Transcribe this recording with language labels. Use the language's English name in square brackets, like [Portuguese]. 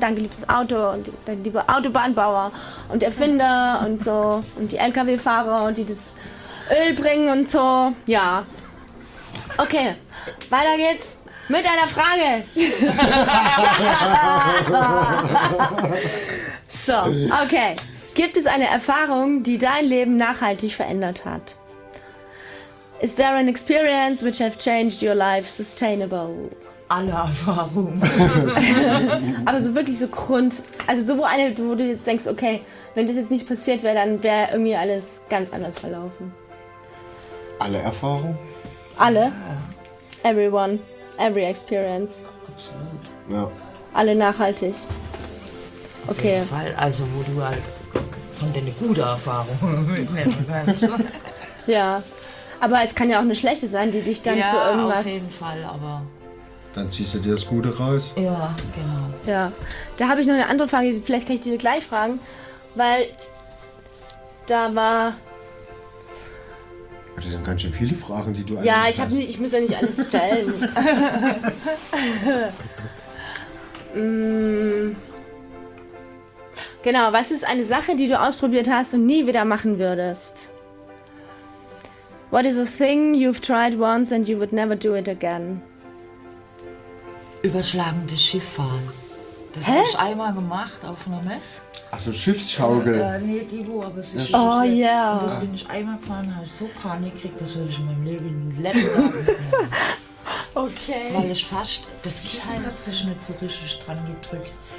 [German] Danke, liebes Auto und danke, liebe Autobahnbauer und Erfinder und so und die LKW-Fahrer, die das Öl bringen und so. Ja. Okay, weiter geht's. Mit einer Frage. So, okay. Gibt es eine Erfahrung, die dein Leben nachhaltig verändert hat? [English] Is there an experience which have changed your life sustainable? [German] Alle Erfahrungen. Aber so wirklich so Grund, also so wo eine, wo du jetzt denkst, okay, wenn das jetzt nicht passiert wäre, dann wäre irgendwie alles ganz anders verlaufen. Alle Erfahrungen? Alle? [English] Everyone. Every experience. [German] Absolut. Ja. Alle nachhaltig. Okay. Auf jeden Fall, also wo du halt von deine gute Erfahrung mitnehmen kannst. Ja. Aber es kann ja auch eine schlechte sein, die dich dann ja, zu irgendwas... Ja, auf jeden Fall, aber... Dann ziehst du dir das Gute raus. Ja, genau. Ja. Da habe ich noch eine andere Frage, vielleicht kann ich dir gleich fragen, weil da war... Das sind ganz schön viele Fragen, die du ja, eigentlich hast. Ja, ich muss ja nicht alles stellen. Genau, was ist eine Sache, die du ausprobiert hast und nie wieder machen würdest? [English] What is a thing you've tried once and you would never do it again? [German] Überschlagendes Schiff fahren. Das habe ich einmal gemacht auf einer Messe. Achso, Schiffsschaukel. Nee, Guido, aber es ist schon. Oh ja. [English] Yeah. [German] Und das bin ich einmal gefahren, habe ich so Panik gekriegt, das würde ich in meinem Leben nicht. Okay. Weil ich fast, das Kissen hat sich nicht so richtig dran gedrückt.